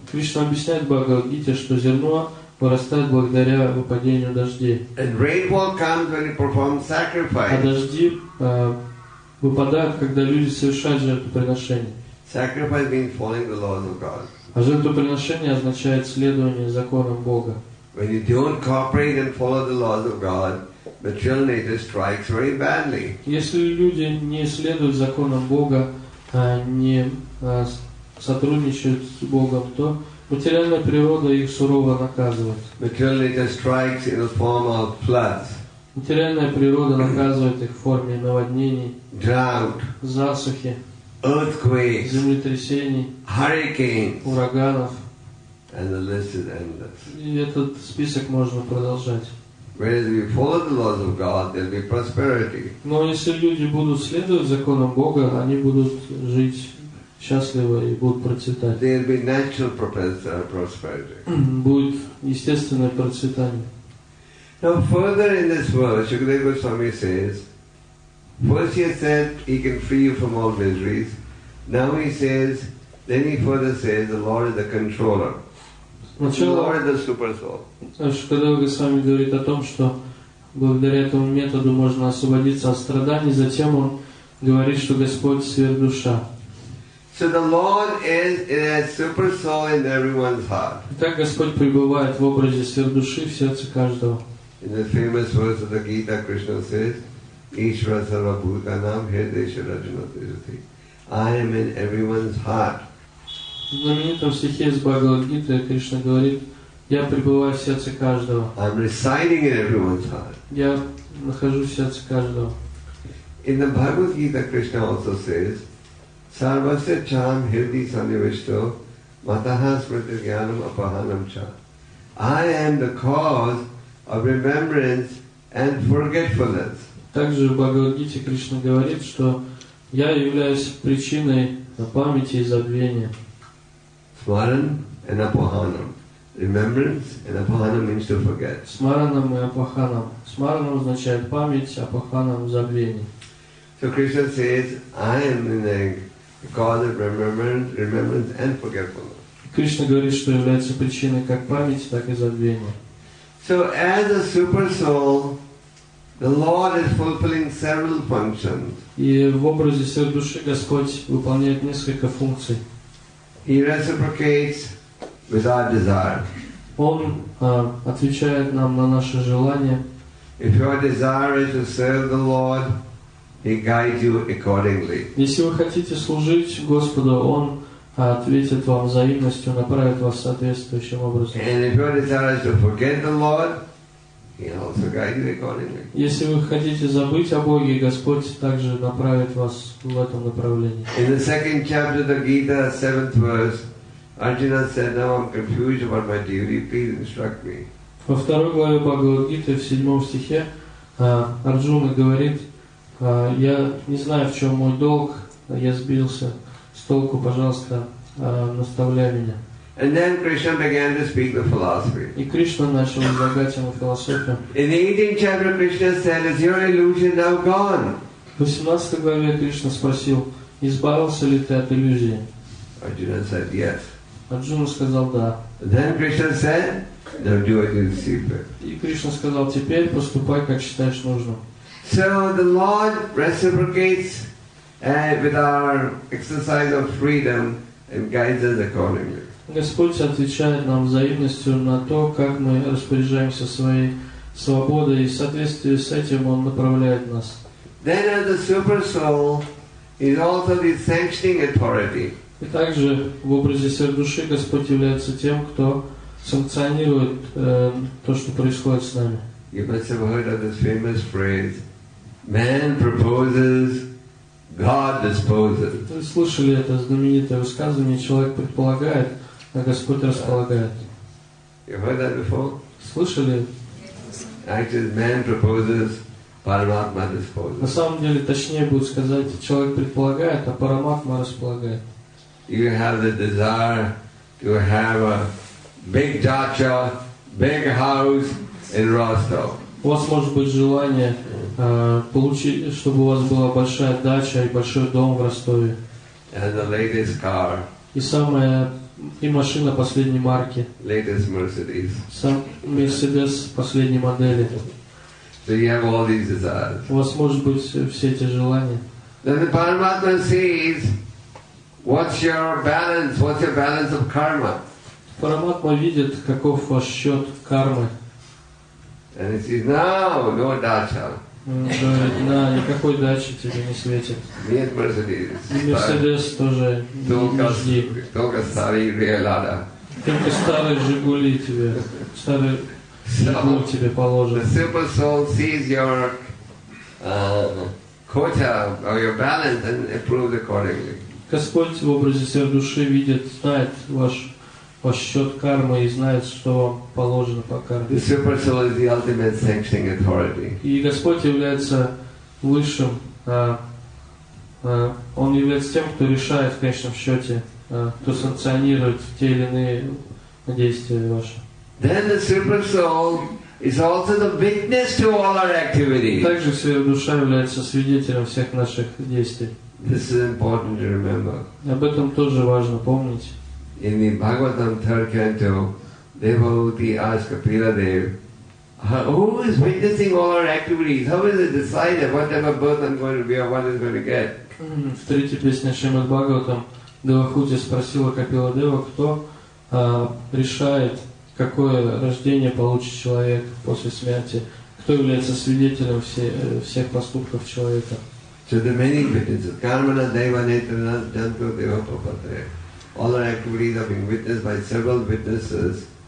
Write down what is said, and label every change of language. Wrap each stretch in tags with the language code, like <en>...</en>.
<ru>Кришна объясняет в Бхагавад Гите, что зерно вырастает благодаря выпадению дождей.</ru> <en>And rainfall comes when you perform sacrifice.</en> <ru>А дожди выпадают, когда люди совершают жертвоприношение.</ru> <en>Sacrifice means following the laws of God.</en> <ru>А жертвоприношение означает следование законам Бога.</ru> <en>When you don't cooperate and follow the laws of God, material nature strikes very badly.</en> <ru>Если люди не следуют законам Бога, а не сотрудничают с Богом, то материальная природа их сурово наказывает.</ru> <en>Material nature strikes in the form of floods.</en> <ru>Материальная природа наказывает их в форме наводнений,</ru> <en>drought,</en> <ru>засухи,</ru> <en>earthquakes,</en> <ru>землетрясений,</ru> <en>hurricanes,</en> <ru>ураганов.</ru> <en>And the list is endless.</en> <ru>И этот список можно продолжать.</ru> <en>Whereas if you follow the laws of God, there'll be prosperity.</en> <ru>Но если люди будут следовать законам Бога, они будут жить счастливо и будут процветать.</ru> <en>There will be natural prosperity.</en> <ru>Будет естественное процветание.</ru> <en>Now further in this verse, Shukadeva Goswami says, first he said he can free you from all miseries. Now he says, then he further says, the Lord is the controller.</en> <ru>Сначала,</ru> <en>the Lord is the super soul.</en> <ru>Shukadeva Goswami говорит о том, что благодаря этому методу можно освободиться от страданий, затем он говорит, что Господь сверхдуша.</ru> <en>So the Lord is a super soul in everyone's heart.</en> <ru>Так Господь пребывает в образе сверхдуши в сердце каждого.</ru> <en>In the famous verse of the Gita, Krishna says,</en> <sa>"Ishvara sarva bhutanam hridaye rajana tirthi."</sa> <en>I am in everyone's heart.</en> <ru>В знаменитом стихе из Бхагавад Гиты Кришна говорит: "Я пребываю в сердце каждого."</ru> <en>I'm residing in everyone's heart.</en> <ru>Я нахожусь в сердце каждого.</ru> <en>In the Bhagavad Gita, Krishna also says,</en> <sa>"Sarvasya cham hridi sannivishto mataha smriti jnanam apahanam cha."</sa> <en>I am the cause of remembrance and forgetfulness.</en> <ru>Также в Бхагавад-гите Кришна говорит, что я являюсь причиной памяти и забвения.</ru> <en>Smaran and apahanam. Remembrance and apahanam means to forget.</en> <ru>Smaranam и apahanam. Smaranam означает память, apahanam забвение.</ru> <en>So Krishna says, I am the cause of remembrance and forgetfulness.</en> <ru>Кришна говорит, что является причиной как памяти, так и забвения.</ru> <en>So as a super soul, the Lord is fulfilling several functions.</en> <ru>И в образе сверхдуши Господь выполняет несколько функций.</ru> <en>He reciprocates with our desire.</en> <ru>Он отвечает нам на наши желания.</ru> <en>If your desire is to serve the Lord, He guides you accordingly.</en> <ru>Если вы хотите служить Господу, Он ответит вам взаимностью, направит вас соответствующим образом.</ru> <en>And if your desire is to forget the Lord,</en> <ru>Если вы хотите забыть о Боге, Господь также направит вас в этом направлении.</ru> <en>In the second chapter of the Gita, seventh verse, Arjuna said, "Now I'm confused about my duty. Please instruct me."</en> <ru>Во второй главе Бхагавад-гиты в седьмом стихе Арджуна говорит: "Я не знаю, в чем мой долг. Я сбился с толку. Пожалуйста, наставляй меня."</ru> <en>And then Krishna began to speak the philosophy.</en> <ru>И Кришна начал излагать ему философию.</ru> <en>In the 18th chapter, Krishna said, "Is your illusion now gone?"</en> <ru>В 18 главе Кришна спросил: "Избавился ли ты от иллюзии?"</ru> <en>Arjuna said, "Yes."</en> <ru>Арджуна сказал: "Да."</ru> <en>Then Krishna said, "Now do as you see fit."</en> <ru>И Кришна сказал: "Теперь поступай, как считаешь нужным."</ru> <en>So the Lord reciprocates with our exercise of freedom and guides us accordingly.</en> <ru>Господь отвечает нам взаимностью на то, как мы распоряжаемся своей свободой, и в соответствии с этим Он направляет нас.</ru> <en>Then as the super soul is also the sanctioning authority.</en> <ru>И также в образе серддуши Господь является тем, кто санкционирует то, что происходит с нами.</ru> <en>You must have heard of this famous phrase: "Man proposes, God disposes."</en> <ru>Вы слышали это знаменитое высказывание: человек предполагает, а Господь располагает.</ru> <en>You heard that before?</en> <ru>Слышали?</ru> <en>Actually, man proposes, Paramatma disposes.</en> <ru>На самом деле, точнее будет сказать, человек предполагает, а Параматма располагает.</ru> <en>You have the desire to have a big dacha, big house in Rostov.</en> <ru>У вас может быть желание получить, чтобы у вас была большая дача и большой дом в Ростове.</ru> <en>And the latest car.</en> <ru>И самое И машина последней марки.</ru> <en>Latest Mercedes.</en> <ru>Сам Mercedes последней модели.</ru> <en>So you have all these desires.</en> <ru>У вас может быть все эти желания.</ru> <en>Then the Paramatma sees what's your balance, what's your balance of karma.</en> <ru>Параматма видит, каков ваш счет кармы.</ru> <en>And he says, no dacha.</en> <ru>Говорит, на никакой дачи тебе не светит. Нет, Мерседес. Мерседес тоже только, не жди. Только старый Реалада. Только старый Жигули тебе. Старый Жигули тебе положит.</ru> <en>The super soul sees your quota or your balance and approves accordingly.</en> <ru>Господь в образе своей души видит, знает ваш счет кармы и знает, что вам положено по карме.</ru> <en>The super soul is the ultimate sanctioning authority.</en> <ru>И Господь является высшим, Он является тем, кто решает в конечном счете, кто санкционирует те или иные действия ваши.</ru> <en>Then the super soul is also the witness to all our activities.</en> <ru>Также Святая Душа является свидетелем всех наших действий.</ru> <en>This is important to remember.</en> <ru>Об этом тоже важно помнить.</ru> <en>In the Bhagavatam third canto, devotee asks Kapila Dev, "Who is witnessing all our activities? How is it decided what type of birth I'm going to be or what I'm going to get?"</en> <ru>В третьей песне Шримад Бхагаватам Девахути спросила Капила Дева, кто решает, какое рождение получит человек после смерти, кто является свидетелем всех поступков человека.</ru> <en>So the many witnesses,</en> <sa>Karmana, Deva, Netra, Janto, Deva, Papatre.</sa> <en>All our activities are being witnessed by several witnesses.</en>